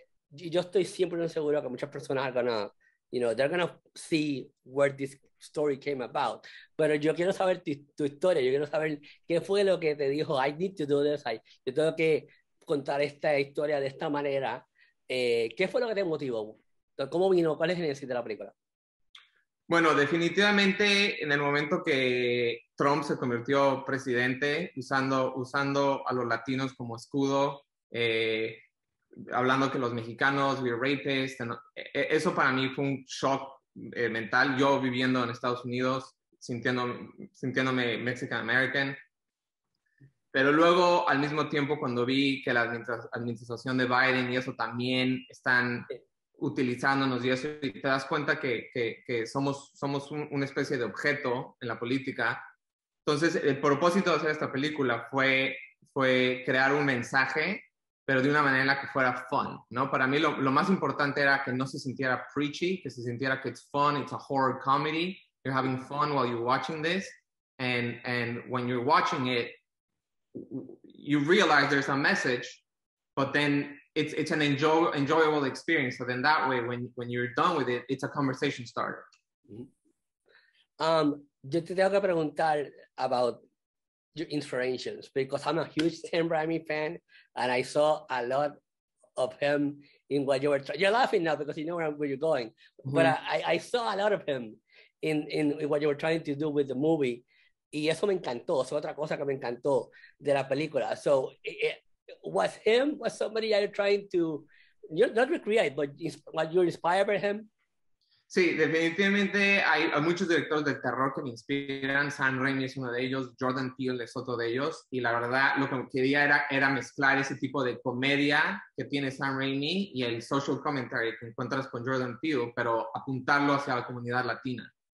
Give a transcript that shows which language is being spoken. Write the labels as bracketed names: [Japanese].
[Spanish] Yo estoy siempre seguro que muchas personas van a. [English] You know, they're gonna see where this story came about. [Spanish] Pero yo quiero saber tu historia, yo quiero saber qué fue lo que te dijo, [English] I need to do this, [Spanish] yo tengo que contar esta historia de esta manera. ¿Qué fue lo que te motivó? ¿Cómo vino? ¿Cuál es el génesis de la película? Bueno, definitivamente en el momento que Trump se convirtió presidente usando a los latinos como escudo, hablando que los mexicanos, [English] we're rapists, [Spanish] eso para mí fue un shock mental. Yo viviendo en Estados Unidos, sintiéndome Mexican American. Pero luego, al mismo tiempo, cuando vi que la administración de Biden y eso también están utilizándonos, y eso, y te das cuenta que somos una especie de objeto en la política. Entonces, el propósito de hacer esta película fue crear un mensaje, pero de una manera en la que fuera fun, ¿no? Para mí lo más importante era que no se sintiera preachy, que se sintiera que [English] it's fun, it's a horror comedy, you're having fun while you're watching this, and when you're watching it, you realize there's a message, but then it's an enjoyable experience. So then that way, when you're done with it, it's a conversation starter. [Spanish] Yo te tengo que preguntar [English] about your inspirations, because I'm a huge Sam Raimi fan and I saw a lot of him in what you were trying. You're laughing now because you know where you're going, but I saw a lot of him in what you were trying to do with the movie. [Spanish] Y eso me encantó, es otra cosa que me encantó de la película. [English] So was him, was somebody you're trying to, you're not recreate, but what you're inspired by him? [Spanish] Sí, definitivamente hay muchos directores de terror que me inspiran. Sam Raimi es uno de ellos, Jordan Peele es otro de ellos. Y la verdad, lo que quería era mezclar ese tipo de comedia que tiene Sam Raimi y el social commentary que encuentras con Jordan Peele, pero apuntarlo hacia la comunidad latina.